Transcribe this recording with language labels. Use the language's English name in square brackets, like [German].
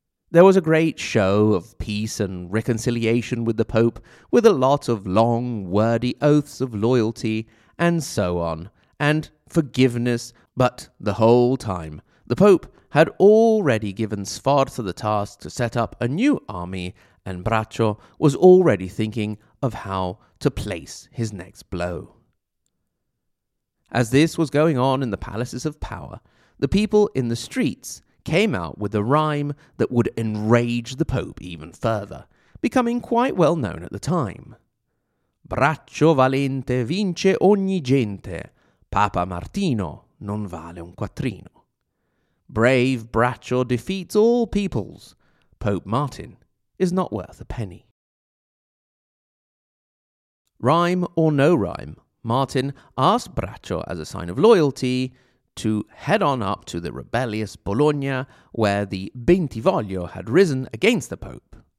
[English] There was a great show of peace and reconciliation with the Pope, with a lot of long, wordy oaths of loyalty, and so on, and forgiveness, but the whole time, the Pope had already given Sforza the task to set up a new army, and Braccio was already thinking of how to place his next blow. As this was going on in the palaces of power, the people in the streets came out with a rhyme that would enrage the Pope even further, becoming quite well known at the time. [Italian] Braccio valente vince ogni gente, Papa Martino non vale un quattrino. [English] Brave Braccio defeats all peoples, Pope Martin is not worth a penny. Rhyme or no rhyme, Martin asked Braccio as a sign of loyalty to head on up to the rebellious Bologna where the Bentivoglio had risen against the Pope.